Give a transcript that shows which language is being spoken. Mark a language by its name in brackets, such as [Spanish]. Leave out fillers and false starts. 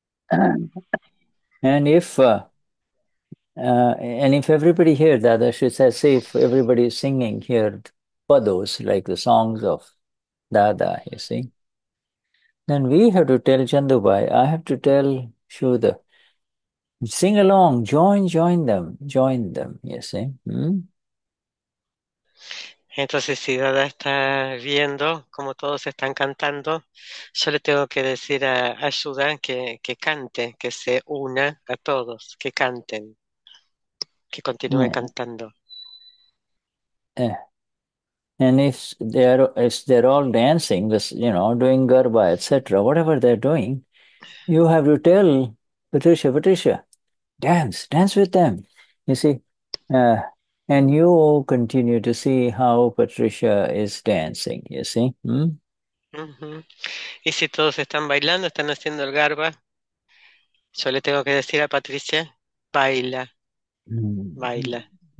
[English] And if and if everybody here, Dada should say, say if everybody is singing here pados like the songs of Dada, you see, then we have to tell Chandubai, I have to tell Shuddha, sing along, join them, you see. [Spanish] Entonces, si Dada está viendo cómo todos están cantando, yo le tengo que decir a Ayuda que cante, que se una a todos, que canten, que continúe cantando. [English] And if they're all dancing, this, doing garba, etc., whatever they're doing, you have to tell Patricia, Patricia, dance, dance with them. You see, and you continue to see how Patricia is dancing. You see, [Spanish] Y si todos están bailando, están haciendo el garba, yo le tengo que decir a Patricia, baila, baila.